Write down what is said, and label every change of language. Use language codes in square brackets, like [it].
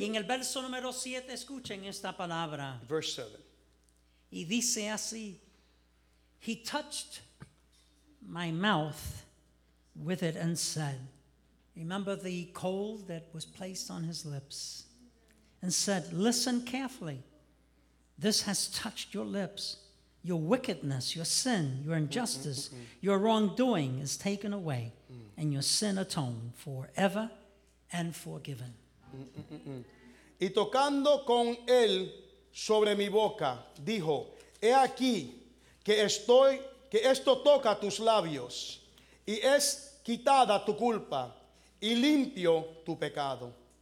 [es] Y en el verso número 7, escuchen esta palabra. [en] Verse 7. [es] Y dice así, [en] he touched my mouth with it and said, remember the coal that was placed on his lips, and said, listen carefully, this has touched your lips, your wickedness, your sin, your injustice, your wrongdoing is taken away, and your sin atoned forever and forgiven. [es] Y tocando con él sobre mi boca, dijo, he aquí que esto toca tus labios y es quitada tu culpa y limpio tu pecado.